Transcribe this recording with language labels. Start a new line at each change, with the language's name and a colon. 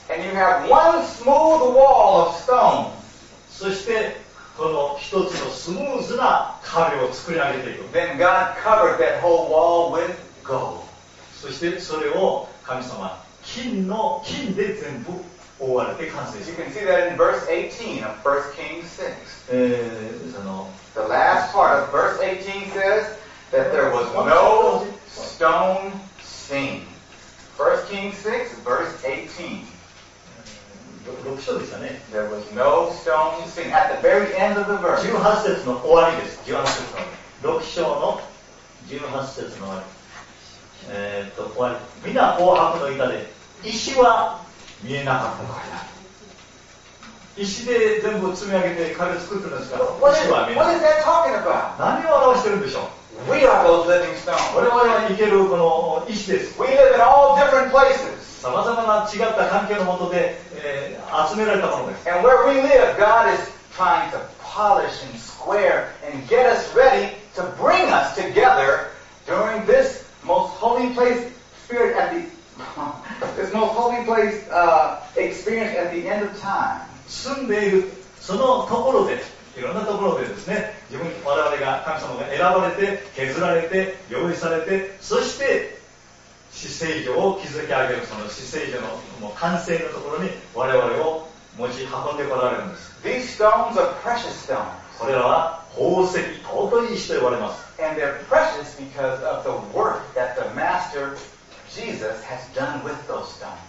English: And you have one smooth wall of stone.
Japanese: そしてこの一つのスムーズな壁を作り上げていく。
English: Then God covered that whole wall with gold.
Japanese: そしてそれを神様金で全部覆われて完成する。
English: You can see that in verse 18 of 1 Kings 6.
Japanese: その
English: The last part of verse 18 says that there was no stone seen. 1 Kings 6, verse 18.
Japanese: ね、
English: There was no stone seen at the very end of the verse.
Japanese: 18節の終わりです。18節の終わり。6章の18節の終わり。終わり。皆紅白の板で石は見えなかったからだ。石で全部積み上げて壁作ってるんですから。
English: What,
Japanese: 石は見えない。
English: What is that talking about?
Japanese: 何を表してるんでしょう。
English: We are those living stones.
Japanese: 我々は生けるこの石です。
English: We live in all different places.
Japanese: さまざまな違った環境のもとで、集められたものです。
English: And where we live, God is trying to polish and square and get us ready to bring us together during this most holy place spirit at the this most holy place experience at the end of time.
Japanese: 住んでいるそのところで、いろんなところでですね、自分我々が神様が選ばれて削られて用意されて、そして至聖所を築き上げるその至聖所のもう完成のところに我々を持ち運んでこられるんです。
English: These stones are precious stones.
Japanese: これらは宝石、尊い石と言われます。
English: And they're precious because of the work that the Master Jesus has done with those stones.